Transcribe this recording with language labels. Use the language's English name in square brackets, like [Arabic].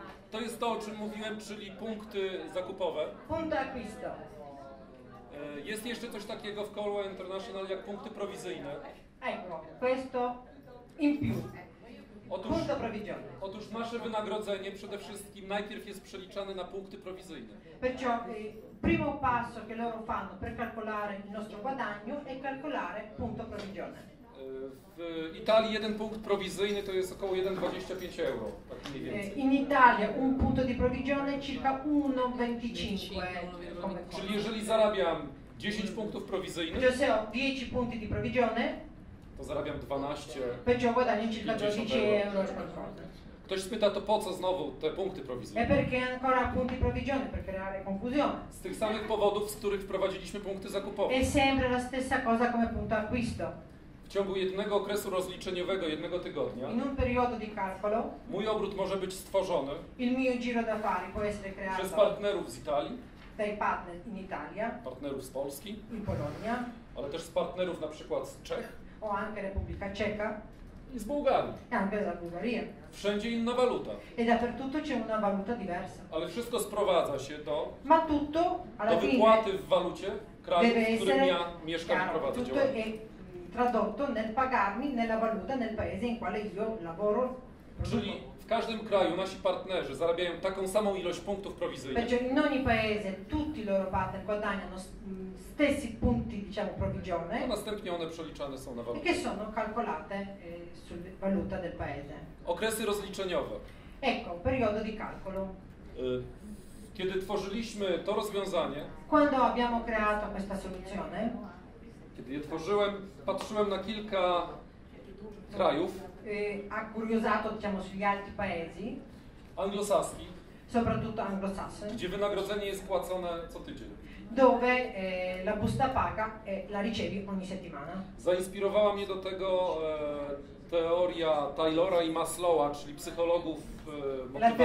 [Polish] To jest to, o czym mówiłem, czyli punkty zakupowe. [Italian] Punto acquisto. [Polish] Jest jeszcze coś takiego w Colway International jak punkty prowizyjne. [Italian] Ecco, questo in più. Punto prowizyjne. [Polish] Otóż nasze wynagrodzenie przede wszystkim najpierw jest przeliczane na punkty prowizyjne. [Italian] Perciò primo passo che loro fanno per calcolare il nostro guadagno è calcolare punto prowizyjne. [Polish] W Italii jeden punkt prowizyjny to jest około 1,25 euro, tak mniej więcej. [Italian] In Italia un punto di provvigione circa 1,25. [Polish] Czyli jeżeli zarabiam 10 punktów prowizyjnych, [Italian] se ho 10 punti di provvigione, [Polish] to zarabiam 12. [Italian] Perciò guadagno circa 12 euro. [Polish] Ktoś pyta, to po co znowu te punkty prowizyjne? [Italian] E perché ancora punti provvigione, per creare confusione. [Polish] Z tych samych powodów, z których wprowadziliśmy punkty zakupowe. [Italian] È sempre la stessa cosa come punto acquisto. [Polish] W ciągu jednego okresu rozliczeniowego, jednego tygodnia, [Italian] in un periodo di calcolo, [Polish] mój obrót może być stworzony [Italian] il mio giro d'affari può essere creato [Polish] przez partnerów z Italii, [Italian] dai partner in Italia, [Polish] partnerów z Polski, [Italian] in Polonia, [Polish] ale też z partnerów na przykład z Czech, [Italian] o anche Repubblica Ceca, [Polish] i z Bułgarii, [Italian] anche da Bułgaria. [Polish] Wszędzie inna waluta. [Italian] E dappertutto c'è una valuta diversa. [Polish] Ale wszystko sprowadza się do, [Italian] ma tutto alla [Polish] do wypłaty w walucie kraju, w którym ja mieszkam i prowadzę działalność. [Italian] Tradotto nel pagarmi nella valuta nel paese in quale io lavoro. [Polish] Czyli w każdym kraju nasi partnerzy zarabiają taką samą ilość punktów prowizyjnych. [Italian] Perciò in ogni paese tutti i loro partner guadagnano stessi punti, diciamo, provvigione. [Polish] A następnie one przeliczane są na [Italian] valuta. Che sono calcolate sul valuta del paese. [Polish] Okresy rozliczeniowe. [Italian] Ecco, periodo di calcolo. [Polish] Kiedy tworzyliśmy to rozwiązanie? [Italian] Quando abbiamo creato questa soluzione? [Polish] Kiedy je tworzyłem, patrzyłem na kilka krajów. [Italian] Ha curiosato, diciamo, sugli altri paesi. [Polish] Anglosaski. [Italian] Soprattutto anglosassone. [Polish] Gdzie wynagrodzenie jest płacone co tydzień. [Italian] Dove la busta paga la ricevi ogni settimana. [Polish] Zainspirowała mnie do tego teoria Taylora i Maslowa, czyli psychologów motywacji.